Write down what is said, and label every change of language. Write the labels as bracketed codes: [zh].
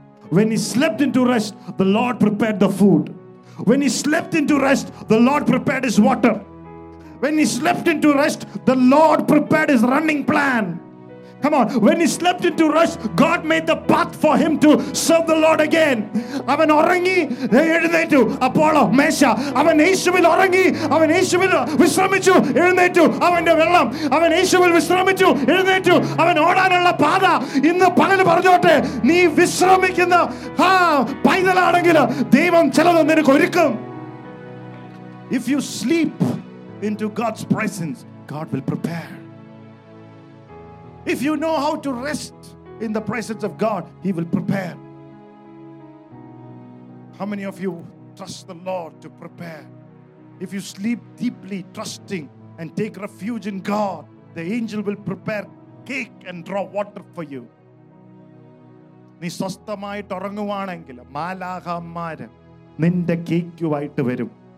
[en] When he slept into rest, the Lord prepared the food. When he slept into rest, the Lord prepared his water. When he slept into rest, the Lord prepared his running plan. Come on. When he slept into rest, God made the path for him to serve the Lord again. [ml] അവൻ ഉറങ്ങി എഴുന്നേറ്റു, Apollo മേശ. അവൻ യേശുവിൽ ഉറങ്ങി, അവൻ യേശുവിൽ വിശ്രമിച്ചു, എഴുന്നേറ്റു അവന്റെ വെള്ളം. അവൻ യേശുവിൽ വിശ്രമിച്ചു, എഴുന്നേറ്റു അവൻ ഓടാനുള്ള പാത. ഇന്ന് പകല് പറഞ്ഞോട്ടെ, നീ വിശ്രമിക്കുന്ന പൈതലാണെങ്കിൽ ദൈവം ചിലത് നിനക്ക് ഒരുക്കും. [en] If you sleep into God's presence, God will prepare. If you know how to rest in the presence of God, He will prepare. How many of you trust the Lord to prepare? If you sleep deeply trusting and take refuge in God, the angel will prepare cake and draw water for you. [ml] നീ സ്വസ്ഥമായിട്ട് ഉറങ്ങുവാണെങ്കിൽ മാലാഖമാര് നിന്റെ കേക്കുമായിട്ട് വരും.